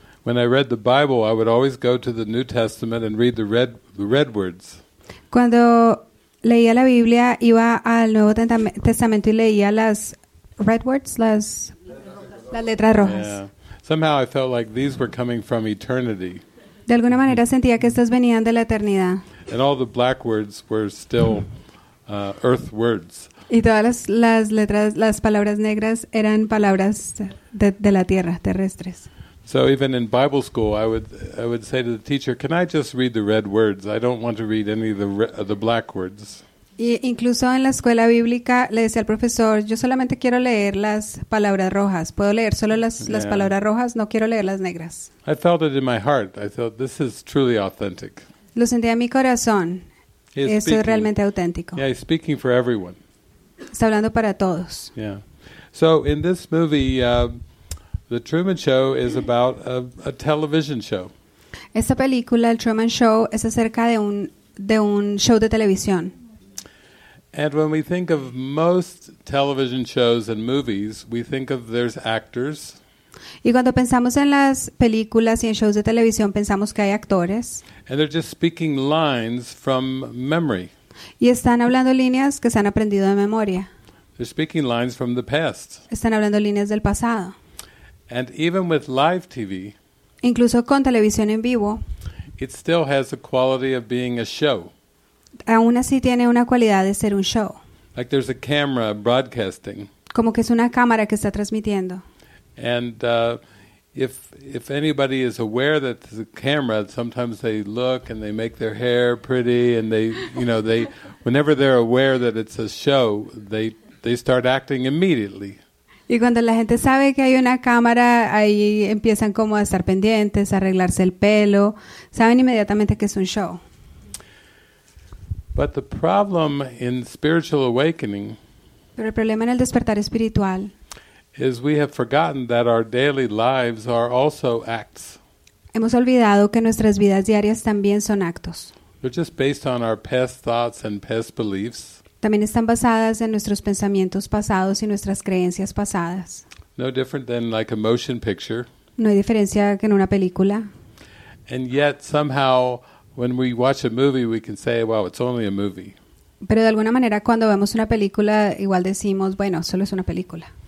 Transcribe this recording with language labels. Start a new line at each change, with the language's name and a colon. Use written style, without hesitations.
English: When I read the Bible, I would always go to the New Testament and read the red words.
Spanish: Cuando leía la Biblia, iba al Nuevo Testamento y leía las
English: red words,
Spanish: las letras rojas.
English: Yeah. Somehow I felt like these were coming from eternity.
Spanish: De alguna manera sentía que estas venían de la eternidad.
English: And all the black words were still earth words.
Spanish: Y todas las letras, las palabras negras eran palabras de la tierra, terrestres.
English: So even in Bible school, I would say to the teacher, "Can I just read the red words? I don't want to read any of the black words."
Spanish: Y incluso en la escuela bíblica le decía al profesor, "Yo solamente quiero leer las palabras rojas. Puedo leer solo las palabras rojas, no quiero leer las negras."
English: I felt it in my heart. I thought this is truly authentic.
Spanish: Lo sentía en mi corazón. Esto es realmente auténtico.
English: Yeah, he's speaking for everyone.
Spanish: Está hablando para todos.
English: Yeah. So in this movie, the Truman Show is about a television show.
Spanish: Esta película, el Truman Show, es acerca de un show de televisión.
English: And when we think of most television shows and movies, we think of there's actors.
Spanish: Y cuando pensamos en las películas y en shows de televisión, pensamos que hay actores.
English: And they're just speaking lines from memory.
Spanish: Y están hablando líneas que se han aprendido de memoria.
English: They're speaking lines from the past.
Spanish: Están hablando líneas del pasado.
English: And even with live TV,
Spanish: incluso con televisión en vivo,
English: it still has a quality of being a show.
Spanish: Aún así tiene una cualidad de ser un show.
English: Like there's a camera broadcasting.
Spanish: Como que es una cámara que está transmitiendo.
English: And if anybody is aware that there's a camera, sometimes they look and they make their hair pretty and they, they whenever they're aware that it's a show, they start acting immediately.
Spanish: Y cuando la gente sabe que hay una cámara, ahí empiezan como a estar pendientes, a arreglarse el pelo, saben inmediatamente que es un show.
English: But the problem in spiritual awakening,
Spanish: pero el problema en el despertar espiritual,
English: is we have forgotten that our daily lives are also acts.
Spanish: Hemos olvidado que nuestras vidas diarias también son actos.
English: They're just based on our past thoughts and past beliefs.
Spanish: También están basadas en nuestros pensamientos pasados y nuestras creencias pasadas.
English: No different than like a motion picture.
Spanish: No hay diferencia que en una película.
English: And yet somehow when we watch a movie we can say, well, it's only a movie.
Spanish: Pero de alguna manera cuando vemos una película igual decimos, bueno, solo es una película.